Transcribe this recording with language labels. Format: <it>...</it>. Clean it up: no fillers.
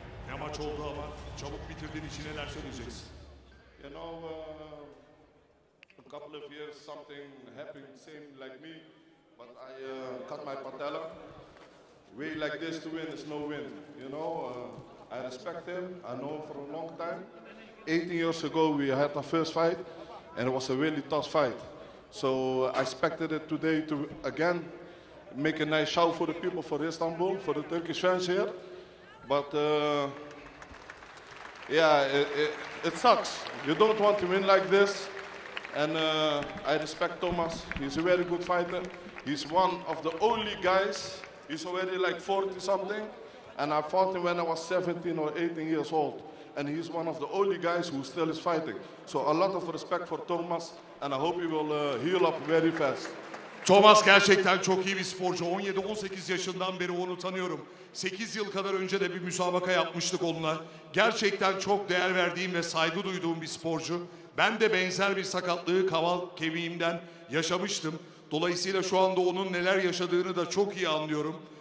<tr>Ne maç oldu ama çabuk bitirdin için neler söyleyeceksin?</tr> <en>You know, a couple of years something happened, same like me. But I cut my patella. way like this to win is no win. You know, I respect him. I know him for a long time. 18 years ago, we had our first fight, and it was a really tough fight. So I expected it today to, again, make a nice show for the people for Istanbul, for the Turkish fans here. But, it sucks. You don't want to win like this. And I respect Thomas. He's a very good fighter. He's one of the only guys. He's already like 40-something. And I fought him when I was 17 or 18 years old. And he's one of the only guys who still is fighting. So a lot of respect for Thomas. And I hope he will heal up very fast.</en> <tr>Thomas gerçekten çok iyi bir sporcu. 17-18 yaşından beri onu tanıyorum. 8 yıl kadar önce de bir müsabaka yapmıştık onunla. Gerçekten çok değer verdiğim ve saygı duyduğum bir sporcu. Ben de benzer bir sakatlığı kaval kemiğimden yaşamıştım. Dolayısıyla şu anda onun neler yaşadığını da çok iyi anlıyorum.</tr>